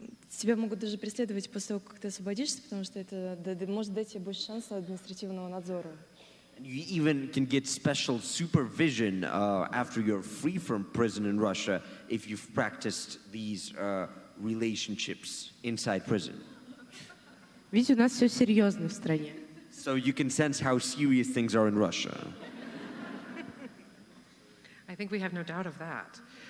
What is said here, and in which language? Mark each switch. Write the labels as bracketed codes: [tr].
[ru] Тебя могут даже преследовать после того, как ты освободишься, потому что это может дать тебе больше шанса административного надзора. [en] You even can get special supervision after you're free from prison in Russia if you've practiced these relationships inside prison. [ru] Видите, у нас все серьезно в стране. [en] So you can sense how serious things are in Russia. I think we have no doubt of that.